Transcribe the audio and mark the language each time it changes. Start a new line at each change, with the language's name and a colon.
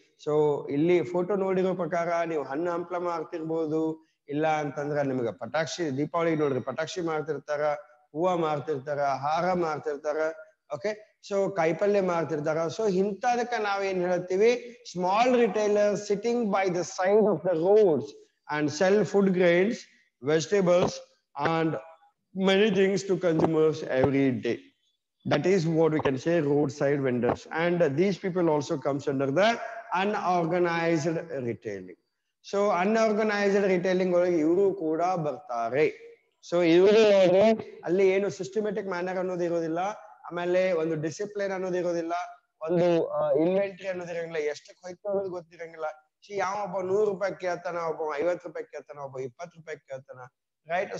Kannada: So ಇಲ್ಲಿ photo ನೋಡಿರೋ ಪ್ರಕಾರ ನೀವು ಹಣ್ಣು ಹಂಪಲ ಮಾರ್ತಿರ್ಬೋದು, ಇಲ್ಲ ಅಂತಂದ್ರೆ ನಿಮಗೆ ಪಟಾಕ್ಷಿ ದೀಪಾವಳಿಗೆ ನೋಡ್ರಿ ಪಟಾಕ್ಷಿ ಮಾರ್ತಿರ್ತಾರ, ಹೂವು ಮಾರ್ತಿರ್ತಾರ, ಹಾರ ಮಾರ್ತಿರ್ತಾರ. ಓಕೆ, ಸೊ ಕಾಯಿಪಲ್ಯ ಮಾರ್ತಿರ್ತಾರ. ಸೊ ಇಂಥದಕ್ಕೆ ನಾವೇನ್ ಹೇಳ್ತೀವಿ
English: Small retailer sitting by the side of the roads and sell food grains vegetables and many things to consumers every day. That is what we can say, roadside vendors. And these people also comes under the unorganized retailing. So unorganized retailing
Kannada: ಒಳಗೆ ಇವರು ಕೂಡ ಬರ್ತಾರೆ. So ಇವರು ಅಲ್ಲಿ ಏನು systematic manner ಅನ್ನೋದು ಇರೋದಿಲ್ಲ, ಆಮೇಲೆ ಒಂದು ಡಿಸಿಪ್ಲಿನ್ ಅನ್ನೋದು ಇರೋದಿಲ್ಲ, ಒಂದು ಇನ್ವೆಂಟ್ರಿ ಅನ್ನೋದು ಇರಂಗಿಲ್ಲ, ಎಷ್ಟಕ್ಕೆ ಹೋಯ್ತು ಅನ್ನೋದು ಗೊತ್ತಿರಂಗಿಲ್ಲ. ಸಿ ಯಾವಪ್ಪ 100 ರೂಪಾಯಿ ಕೇಳ್ತಾನ, ಒಬ್ಬ 50 ರೂಪಾಯಿ ಕೇಳ್ತಾನ, ಒಬ್ಬ 20 ರೂಪಾಯಿ ಕೇಳ್ತಾನ, ರೈಟ್?